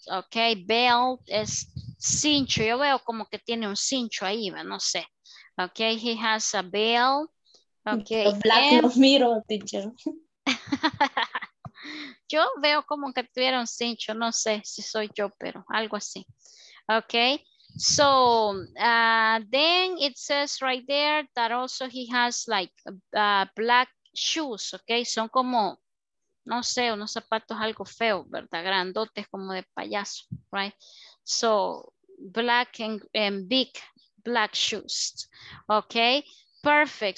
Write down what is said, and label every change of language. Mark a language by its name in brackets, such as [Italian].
[Spanish] okay, belt es cincho. Yo veo como que tiene un cincho ahí, no sé. [English] Okay, he has a belt. Okay. Black mirror, teacher. [Spanish] Yo veo como que tuviera un cincho, no sé si soy yo, pero algo así. [English] Okay, so then it says right there that also he has like black shoes, okay? [Spanish] Son como, no sé, unos zapatos algo feo, ¿verdad? [English] Grandotes como de payaso, right? So black and big black shoes, okay? Perfect.